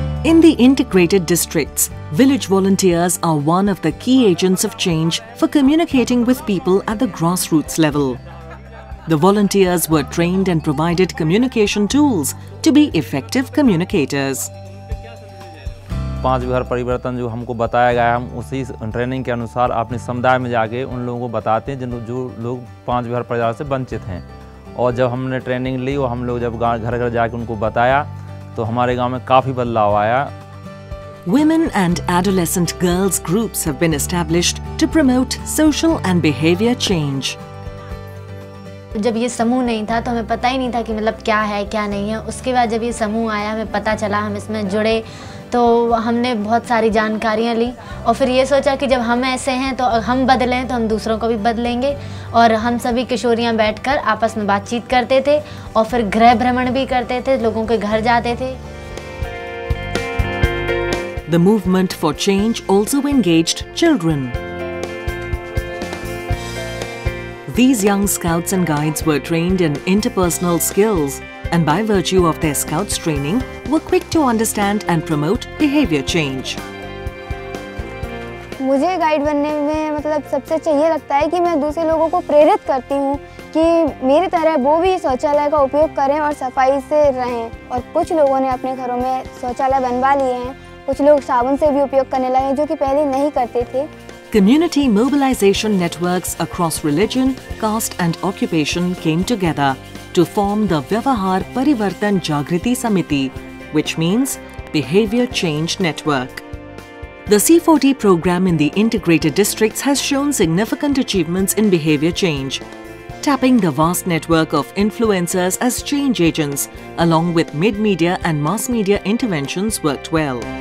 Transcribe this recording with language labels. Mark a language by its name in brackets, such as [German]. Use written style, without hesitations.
[English] In the integrated districts, village volunteers are one of the key agents of change for communicating with people at the grassroots level. The volunteers were trained and provided communication tools to be effective communicators. [Hindi] पांच विहार परिवर्तन जो हमको बताया गया है, हम उसी training के अनुसार अपने समुदाय में जाके उन लोगों को बताते हैं जो लोग पांच विहार परिवार से वंचित हैं। और जब हमने ट्रेनिंग ली और हम लोग जब घर घर जाके उनको बताया तो हमारे गांव में काफी बदलाव आया। [English] Women and adolescent girls groups have been established to promote social and behavior change. [Hindi] जब ये समूह नहीं था तो हमें पता ही नहीं था कि मतलब क्या है क्या नहीं है। उसके बाद जब ये समूह आया हमें पता चला, हम इसमें जुड़े तो हमने बहुत सारी जानकारियाँ ली और फिर ये सोचा कि जब हम ऐसे हैं तो हम बदलें तो हम दूसरों को भी बदलेंगे। और हम सभी किशोरियाँ बैठकर आपस में बातचीत करते थे और फिर गृह भ्रमण भी करते थे, लोगों के घर जाते थे। [English] The movement for change also engaged children. These young scouts and guides were trained in interpersonal skills and by virtue of their scouts training were quick to understand and promote behavior change. [Hindi] मुझे guide बनने में मतलब सबसे अच्छा ये लगता है कि मैं दूसरे लोगों को प्रेरित करती हूँ कि मेरी तरह वो भी शौचालय का उपयोग करें और सफाई से रहें। और कुछ लोगों ने अपने घरों में शौचालय बनवा लिए हैं, कुछ लोग साबुन से भी उपयोग करने लगे जो कि पहले नहीं करते थे। [English] Community mobilization networks across religion, caste and occupation came together to form the Vyavahar Parivartan Jagriti Samiti, which means Behavior Change Network. The C4D program in the integrated districts has shown significant achievements in behavior change, tapping the vast network of influencers as change agents, along with mid-media and mass media interventions worked well.